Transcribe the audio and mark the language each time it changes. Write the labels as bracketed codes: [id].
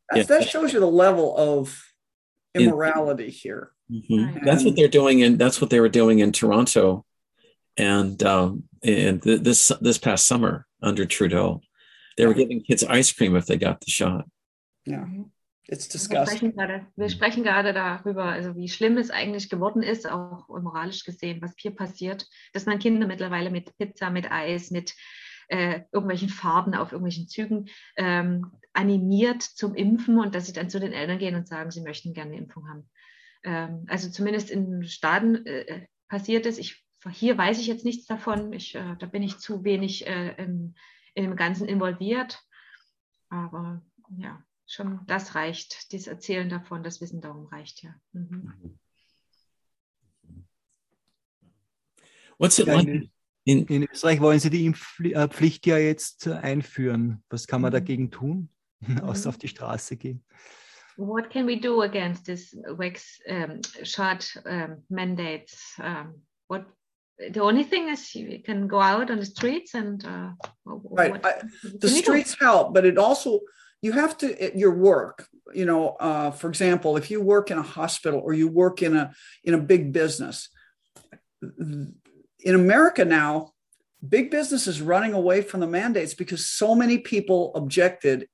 [en] That shows you the level of immorality here. Mm-hmm. That's what they're doing. And that's what they were doing in Toronto. And this past summer under Trudeau, they were giving kids ice cream if they got the shot. Yeah, it's disgusting. [de] Wir sprechen gerade darüber, also wie schlimm es eigentlich geworden ist, auch moralisch gesehen, was hier passiert, dass man Kinder mittlerweile mit Pizza, mit Eis, mit irgendwelchen Farben auf irgendwelchen Zügen animiert zum Impfen und dass sie dann zu den Eltern gehen und sagen, sie möchten gerne eine Impfung haben. Also zumindest in Staaten passiert es. Hier weiß ich jetzt nichts davon. Da bin ich zu wenig in dem Ganzen involviert. Aber ja, schon das reicht. Dieses Erzählen davon, das Wissen darum reicht ja. [en] Mhm. What's it like? [de] In Österreich wollen Sie die Impfpflicht ja jetzt einführen. Was kann man dagegen tun? Außer auf die Straße gehen. [en] What can we do against this VAX shot mandates? The only thing is you can go out on the streets and... The streets help, but it also, you have to, your work, you know, for example, if you work in a hospital or you work in a big business, in America now, big business is running away from the mandates because so many people objected.